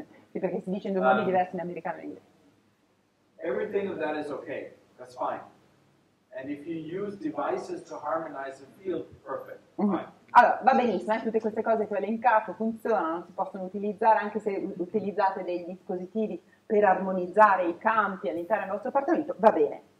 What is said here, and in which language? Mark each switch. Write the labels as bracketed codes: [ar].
[it] Sì, perché si dice in due modi diversi in americano e inglese. [en] Everything of that is okay, that's fine. And if you use devices to harmonize the field, perfect, fine. [it] Allora, va benissimo, tutte queste cose che ho elencato funzionano, si possono utilizzare anche se utilizzate dei dispositivi per armonizzare i campi all'interno del vostro appartamento, va bene.